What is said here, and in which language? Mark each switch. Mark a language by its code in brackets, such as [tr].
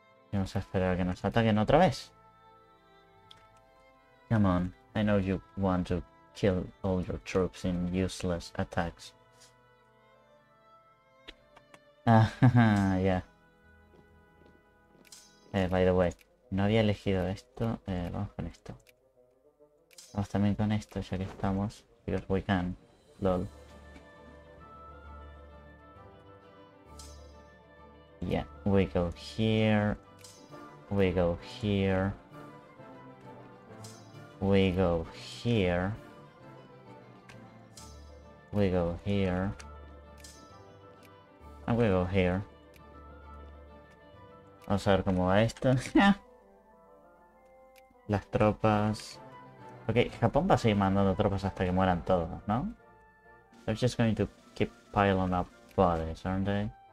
[es] Y vamos a esperar a que nos ataquen otra vez. [en] Come on, I know you want to kill all your troops in useless attacks. Yeah. By the way, [es] no había elegido esto, vamos con esto. Vamos también con esto, ya que estamos, [en] because we can, lol. Yeah, we go here. We go here. We go here. We go here. And we go here. [es] Vamos a ver cómo va esto. Las tropas. Ok, Japón va a seguir mandando tropas hasta que mueran todos, ¿no? [en] They're just going to keep piling up bodies, aren't they?